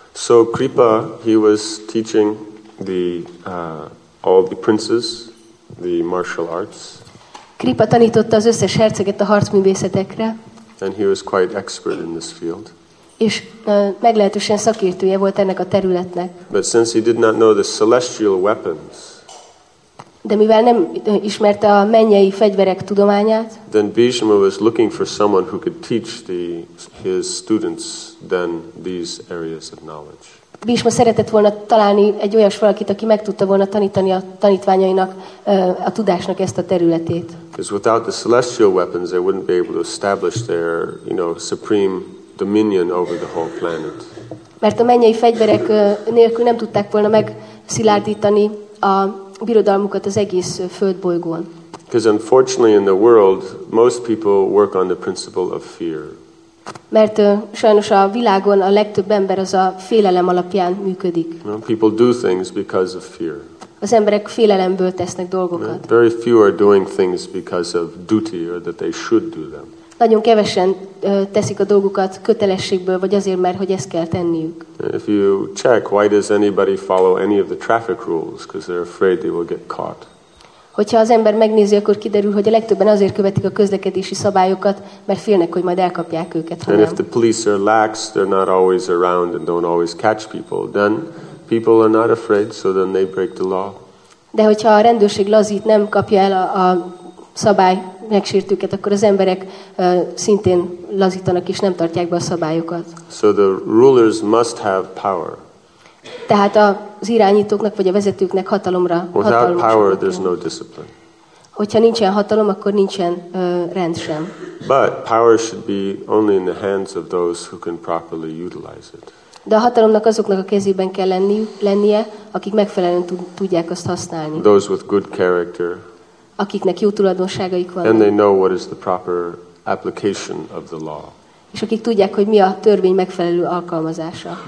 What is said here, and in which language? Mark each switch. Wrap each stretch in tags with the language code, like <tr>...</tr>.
<en>So Kripa, he was teaching the all the princes the martial arts.</en> <hu>Kripa tanította az összes herceget a harcművészetekre.</hu> <en>And he was quite expert in this field.</en> <hu>És meglehetősen szakértője volt ennek a területnek.</hu> <en>But since he did not know the celestial weapons.</en> <hu>De mivel nem ismerte a mennyei fegyverek tudományát.</hu> <en>Then Bhishma was looking for someone who could teach the his students then these areas of knowledge.</en> <hu>Bhishma szeretett volna találni egy olyas valakit, aki meg tudta volna tanítani a tanítványainak a tudásnak ezt a területét.</hu> <en>Because without the celestial weapons, they wouldn't be able to establish their, you know, supreme dominion over the whole planet.</en> <hu>Mert a mennyei fegyverek nélkül nem tudták volna megszilárdítani a birodalmukat az egész földbolygón.</hu> <en>Because unfortunately in the world most people work on the principle of fear.</en> <hu>Mert sajnos a világon a legtöbb ember az a félelem alapján működik.</hu> <en>No, people do things because of fear.</en> <hu>Az emberek félelemből tesznek dolgokat.</hu> <en>No, very few are doing things because of duty or that they should do them.</en> <hu>Nagyon kevesen teszik a dolgokat kötelességből vagy azért, mert hogy ezt kell tenniük.</hu> <en>If you check, why does anybody follow any of the traffic rules? Because they're afraid they will get caught.</en> <hu>Hogyha az ember megnézi, akkor kiderül, hogy a legtöbben azért követik a közlekedési szabályokat, mert félnek, hogy majd elkapják őket.</hu> <en>And if the police are lax, they're not always around and don't always catch people, then people are not afraid, so then they break the law.</en> <hu>De hogyha a rendőrség lazít, nem kapja el a szabály megsértőket, akkor az emberek szintén lazítanak és nem tartják be a szabályokat.</hu> <en>So the rulers must have power.</en> <hu>Tehát az irányítóknak vagy a vezetőknek hatalomra</hu> <en>Without power, there's no discipline.</en> <hu>Hogyha nincsen hatalom, akkor nincsen rend sem.</hu> <en>But power should be only in the hands of those who can properly utilize it.</en> <hu>De a hatalomnak azoknak a kezében kell lennie, akik megfelelően tudják azt használni.</hu> <en>Those with good character.</en> <hu>Akiknek jó tulajdonságaik van.</hu> <en>And they know what is the proper application of the law.</en> <hu>És akik tudják, hogy mi a törvény megfelelő alkalmazása.</hu>